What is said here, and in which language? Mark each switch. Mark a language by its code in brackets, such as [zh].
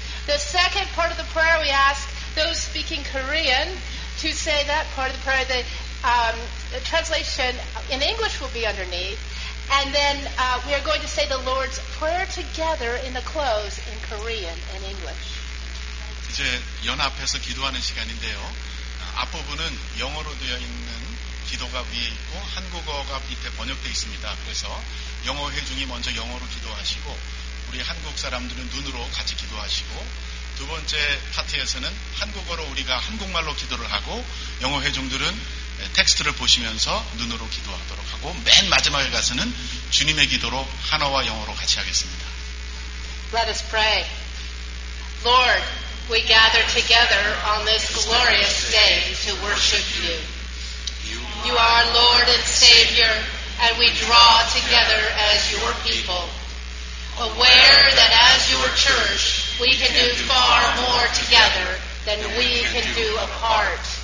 [en] The second part of the prayer, we ask those speaking Korean to say that part of the prayer. The translation in English will be underneath. And then we are going to say the Lord's Prayer together in the close in Korean and English. [ko] 이제 연합해서 기도하는 시간인데요. 앞부분은 영어로 되어 있는 기도가 위에 있고 한국어가 밑에 번역되어 있습니다. 그래서 영어 회중이 먼저 영어로 기도하시고 우리 한국 사람들은 눈으로 같이 기도하시고 두 번째 파트에서는 한국어로 우리가 한국말로 기도를 하고 영어 회중들은 텍스트를 보시면서 눈으로 기도하도록 하고 맨 마지막에 가서는 주님의 기도로 한어와 영어로 같이 하겠습니다. [en] Let us pray. Lord, we gather together on this glorious day to worship you. You are Lord and Savior, and we draw together as your people. Aware that as your church, we can do far more together than we can do apart.